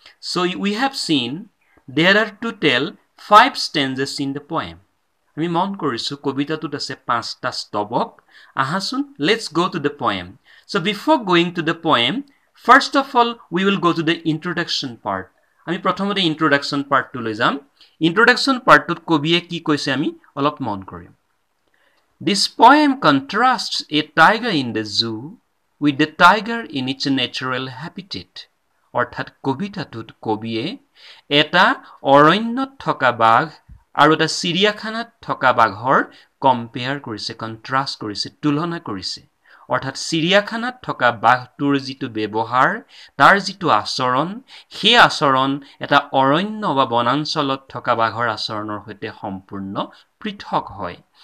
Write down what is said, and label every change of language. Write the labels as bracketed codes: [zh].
[en] So we have seen there are to tell five stanzas in the poem. [as] আমি মন কৰিছোঁ কবিতাটোত আছে পাঁচটা স্তৱক। আহাচোন, [en] let's go to the poem. So before going to the poem, first of all, we will go to the introduction part. [as] আমি প্ৰথমতে introduction part টো লৈ যাম। Introduction part টোত কবিয়ে কি কৈছে আমি অলপ মন কৰিম। [en] This poem contrasts a tiger in the zoo with the tiger in its natural habitat. [as] অৰ্থাৎ কবিতাটোত কবিয়ে এটা অৰণ্যত থকা বাঘ আৰু এটা চিৰিয়াখানাত থকা বাঘৰ কম্পেয়াৰ কৰিছে, কণ্ট্ৰাষ্ট কৰিছে, তুলনা কৰিছে। অৰ্থাৎ চিৰিয়াখানাত থকা বাঘটোৰ যিটো ব্যৱহাৰ, তাৰ যিটো আচৰণ, সেই আচৰণ এটা অৰণ্য বা বনাঞ্চলত থকা বাঘৰ আচৰণৰ সৈতে সম্পূৰ্ণ পৃথক হয়।